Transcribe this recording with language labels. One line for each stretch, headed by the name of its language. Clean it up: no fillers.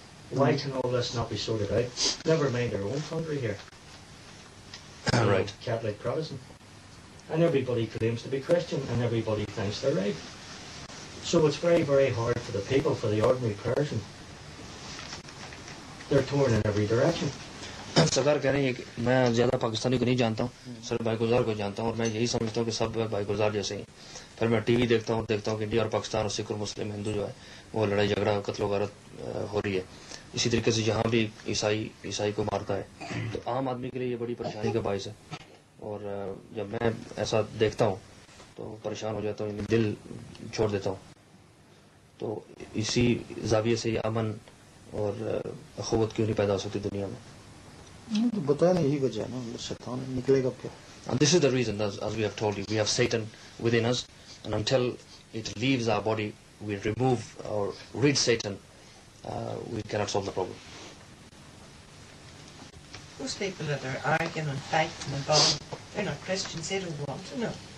English: Why can all this not be sorted out? Never mind our own country here. Right. Catholic Protestant. And everybody claims to be Christian, and everybody thinks they're right. So it's very, very hard for the people, for the ordinary person. They're torn in every direction.
Urdu: سرکار کہہ رہے ہیں کہ میں زیادہ پاکستانی کو نہیں جانتا ہوں, صرف بھائی گلزار کو جانتا ہوں, اور میں یہی سمجھتا ہوں کہ سب بھائی گلزار جیسے ہیں. پھر میں ٹی وی دیکھتا ہوں اور دیکھتا ہوں کہ انڈیا اور پاکستان اور سکھ اور مسلم ہندو جو ہے وہ لڑائی جھگڑا قتل و غارت ہو رہی ہے. اسی طریقے سے یہاں بھی عیسائی کو مارتا ہے, تو عام آدمی کے لیے یہ بڑی پریشانی کا باعث ہے. اور جب میں ایسا دیکھتا ہوں تو پریشان ہو جاتا ہوں, یعنی دل چھوڑ دیتا ہوں. تو اسی زاویے سے یہ امن اور اخوت کیوں نہیں پیدا ہو سکتی دنیا میں؟ تو بتا نہیں, یہی وجہ ہے نا, شیطان نکلے گا کیا.
English: And this is the reason, as we have told you, we have Satan within us, and until it leaves our body, we remove or rid Satan, we cannot solve the problem. Those people that are arguing and fighting and bawling, they're not Christians, they don't want to know.